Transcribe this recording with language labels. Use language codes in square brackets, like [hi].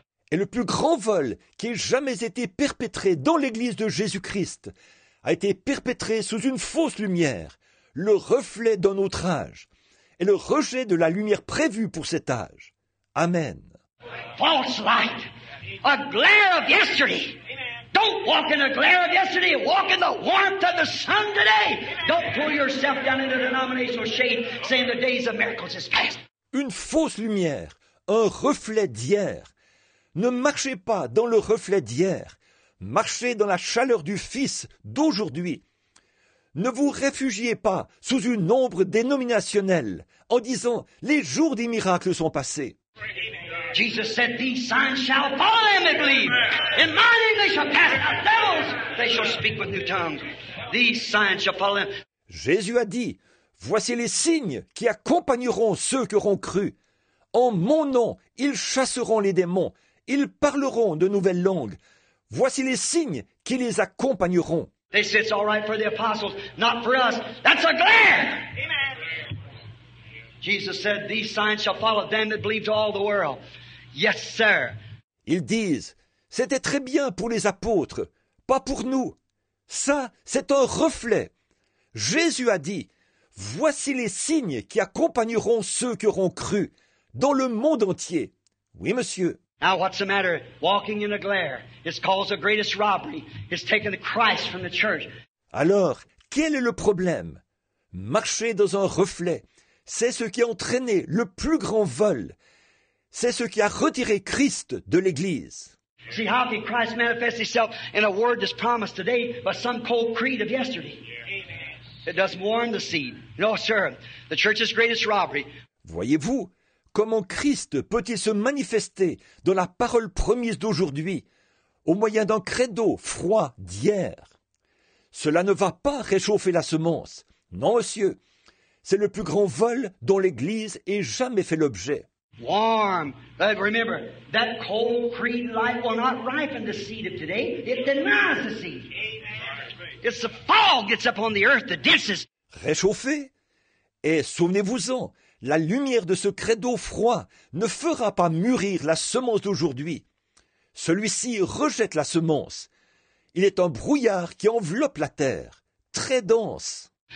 [fr] Et le plus grand vol qui ait jamais été perpétré dans l'Église de Jésus-Christ a été perpétré sous une fausse lumière, le reflet d'un autre âge et le rejet de la lumière prévue pour cet âge. Amen. [en] False light, a glare of yesterday. Don't walk in the glare of yesterday. Walk in the warmth of the sun today. Don't pull yourself down into denominational shade, saying the days of miracles is past. [fr] Une fausse lumière, un reflet d'hier. Ne marchez pas dans le reflet d'hier. Marchez dans la chaleur du Fils d'aujourd'hui. Ne vous réfugiez pas sous une ombre dénominationnelle en disant les jours des miracles sont passés. [en] Jesus said, "These signs shall follow them that believe. In my name they shall cast out devils. They shall speak with new tongues. These signs shall follow them." [fr] Jésus a dit, voici les signes qui accompagneront ceux qui auront cru. En mon nom, ils chasseront les démons. Ils parleront de nouvelles langues. Voici les signes qui les accompagneront. [en] They said, it's all right for the apostles, not for us. That's a glare. Amen. Jesus said, these signs shall follow them that believe to all the world. Yes, sir. [fr] Ils disent, c'était très bien pour les apôtres, pas pour nous. Ça, c'est un reflet. Jésus a dit, voici les signes qui accompagneront ceux qui auront cru dans le monde entier. Oui, monsieur. [en] Now what's the matter? Walking in a glare is called the greatest robbery. It's taking the Christ from the church. [fr] Alors, quel est le problème? Marcher dans un reflet, c'est ce qui a entraîné le plus grand vol. C'est ce qui a retiré Christ de l'Église. [en] See how the Christ manifests himself in a word that's promised today by some cold creed of yesterday. It doesn't warn the seed. No, sir, the church's greatest robbery. [fr] Voyez-vous? Comment Christ peut-il se manifester dans la parole promise d'aujourd'hui au moyen d'un credo froid d'hier? Cela ne va pas réchauffer la semence. Non, monsieur, c'est le plus grand vol dont l'Église ait jamais fait l'objet. [en] Warm. Remember, that cold creed light will not ripen the seed of today. It denies the seed. It's the fog that's upon the earth, the densest. [fr] Réchauffez. Et souvenez-vous-en, la lumière de ce credo froid ne fera pas mûrir la semence d'aujourd'hui. Celui-ci rejette la semence. Il est un brouillard qui enveloppe la terre, très dense.